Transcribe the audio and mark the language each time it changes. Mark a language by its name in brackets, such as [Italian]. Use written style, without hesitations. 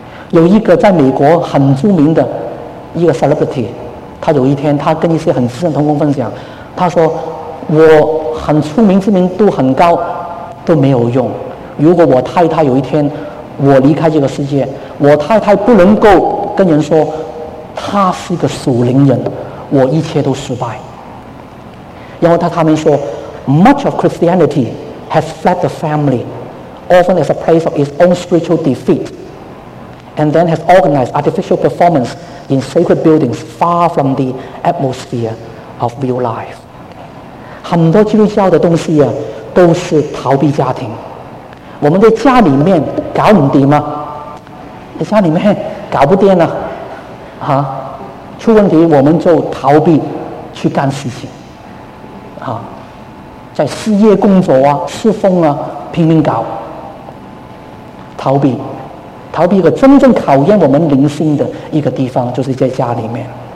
[Chinese] 有一个在美国很著名的一个 celebrity， 他有一天他跟一些很资深同工分享，他说我很出名，知名度很高都没有用，如果我太太有一天我离开这个世界，我太太不能够跟人说他是个属灵人，我一切都失败。然后他们说 [English] much of Christianity has fled the family often as a place of its own spiritual defeat and then has organized artificial performance in sacred buildings far from the atmosphere of real life。 [Chinese] 很多基督教的东西啊，都是逃避家庭，我们在家里面搞不定吗？在家里面搞不定了，啊，出问题我们就逃避去干事情，啊，在事业工作啊、侍奉啊拼命搞，逃避，逃避一个真正考验我们灵性的一个地方，就是在家里面。